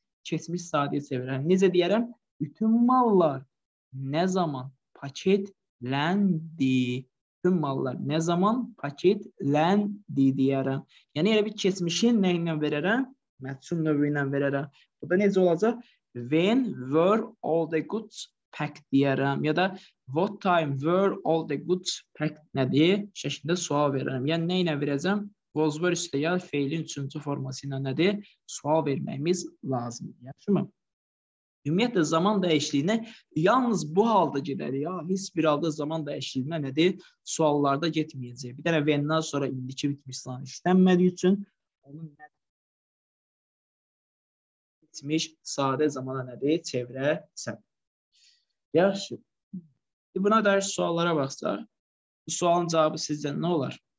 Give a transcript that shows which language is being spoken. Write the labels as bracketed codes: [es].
[az] Keçmiş sadəyə çevirəm. Necə deyərəm? Bütün mallar nə zaman paketləndi? Tüm mallar nə zaman paketləndi deyərəm. Yəni elə bir keçmişi nə ilə verərəm? Məhsul növü ilə verərəm. Bu da necə olacaq? [en] When were all the goods packed [az] deyərəm. Ya da [en] what time were all the goods packed [az] nədir? Şəkildə sual verərəm. Yəni nə ilə verəcəm? Was were üstə ya feilin üçüncü forması ilə nədir? Sual verməyimiz lazımdır. Yaxşı mı? Ümumiyyətlə zaman dəyişikliyinə yalnız bu halda gedər ya. Heç bir halda zaman dəyişikliyinə nədir? Suallarda getməyəcək. Bir dənə when-dən sonra indiki bitmiş zaman işlənmədiyi üçün onun nə bitmiş sadə zamana nədir? Çevirəsən. Yaxşı. Buna dair suallara baxsaq, bu sualın cavabı sizcə nə olar?